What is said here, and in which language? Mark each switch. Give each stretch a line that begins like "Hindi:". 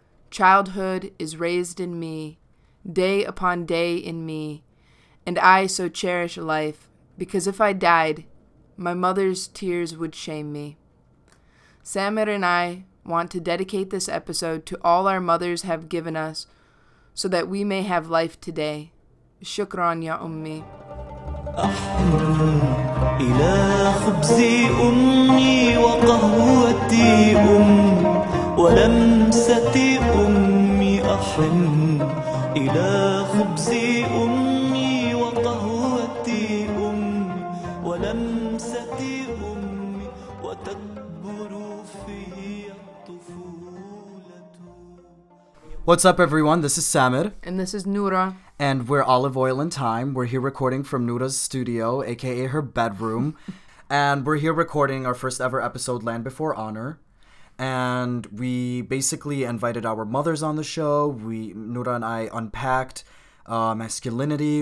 English: Childhood is raised in me, day upon day in me, and I so cherish life, because if I died, my mother's tears would shame me. Samer and I want to dedicate this episode to all our mothers have given us, so that we may have life today.
Arabic: Shukran, Ya Ummi. إلى خبزي أمي وقهوتي أم ولمستي أمي أحن إلى خبزي أمي وقهوتي أم ولمستي أمي وتكبر في الطفولة.
English: What's up, everyone? This is Samer. And this is Noura. And we're Olive Oil and Time. We're here recording from Noura's studio, aka her bedroom. And we're here recording our first ever episode, Land Before Honor. And we basically invited our mothers on the show. Noura and I unpacked masculinity.